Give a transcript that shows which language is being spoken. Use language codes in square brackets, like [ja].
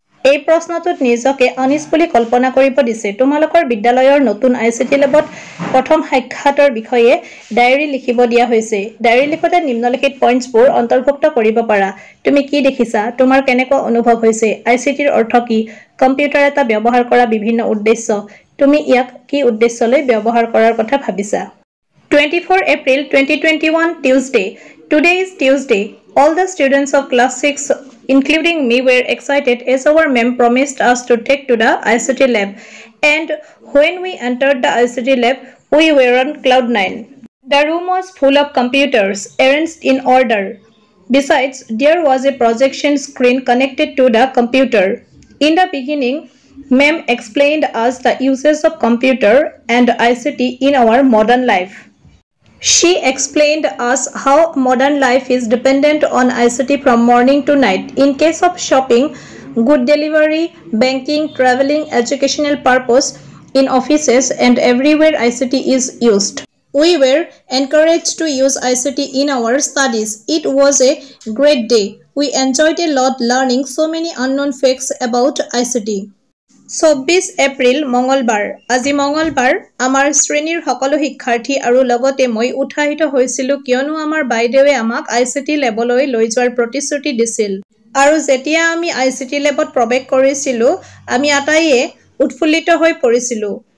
[as] এই প্ৰশ্নটোত নিজকে অনিচ বুলি কল্পনা কৰিব দিছে। তোমালোকৰ বিদ্যালয়ৰ নতুন আই চি টি লেবত প্ৰথম সাক্ষাতৰ বিষয়ে ডায়েৰী লিখিব দিয়া হৈছে। ডায়েৰী লিখোঁতে নিম্নলিখিত পইণ্টছবোৰ অন্তৰ্ভুক্ত কৰিব পাৰা। তুমি কি দেখিছা, তোমাৰ কেনেকুৱা অনুভৱ হৈছে, আই চি টিৰ অৰ্থ কি, কম্পিউটাৰ এটা ব্যৱহাৰ কৰা বিভিন্ন উদ্দেশ্য, তুমি ইয়াক কি উদ্দেশ্যলৈ ব্যৱহাৰ কৰাৰ কথা ভাবিছা। [en] 24 April 2021 Tuesday, today is Tuesday, all the students of class six including me were excited as our ma'am promised us to take to the ICT lab, and when we entered the ICT lab we were on cloud 9. The room was full of computers arranged in order. Besides, there was a projection screen connected to the computer. In the beginning, ma'am explained us the uses of computer and ICT in our modern life. She explained us how modern life is dependent on ICT from morning to night. In case of shopping, good delivery, banking, traveling, educational purpose, in offices and everywhere ICT is used. We were encouraged to use ICT in our studies. It was a great day. We enjoyed a lot learning so many unknown facts about ICT. [as] 24 April মঙলবাৰ, আজি মঙলবাৰ আমাৰ শ্ৰেণীৰ সকলো শিক্ষাৰ্থী আৰু লগতে মই উৎসাহিত হৈছিলোঁ, কিয়নো আমাৰ বাইদেৱে আমাক আই চি টি লেবলৈ লৈ যোৱাৰ প্ৰতিশ্ৰুতি দিছিল। আৰু যেতিয়া আমি আই চি টি লেবত প্ৰৱেশ কৰিছিলোঁ আমি আটাইয়ে উৎফুল্লিত হৈ পৰিছিলোঁ।